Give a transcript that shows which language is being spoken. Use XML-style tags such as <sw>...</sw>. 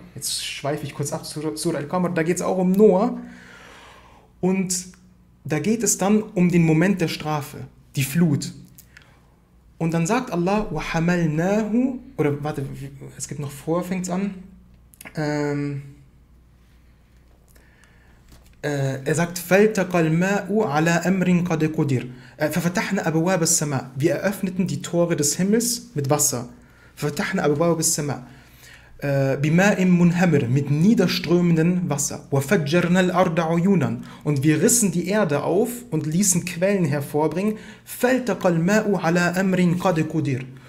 <de>Jetzt schweife ich kurz ab, Surah Al-Qamar. Da geht es auch um Noah. Und da geht es dann um den Moment der Strafe, die Flut. Und dann sagt Allah,</de> <ar>وَحَمَلْنَاهُ,</ar> <de>oder warte, es gibt noch vor, fängt es an. Er sagt,</de> <ar>فَالْتَقَ الْمَاءُ عَلَىٰ أَمْرٍ قَدْ قُدِرٍ. فَفَتَحْنَا أَبْوَابَ السَّمَاءِ.</ar> <de>Wir eröffneten die Tore des Himmels mit Wasser.</de> <ar>فَفَتَحْنَا أَبْوَابَ السَّمَاءِ. بِمَاءٍ مُنْهَمِرٍ,</ar> <de>mit niederströmenden Wasser.</de> <ar>وَفَجَّرْنَا الْأَرْضَ عُيُونًا,</ar> <de>und wir rissen die Erde auf und ließen Quellen hervorbringen.</de> <ar>فَالْتَقَ الْمَاءُ عَلَىٰ أَمْرٍ قَدْ قُدِرٍ.</ar>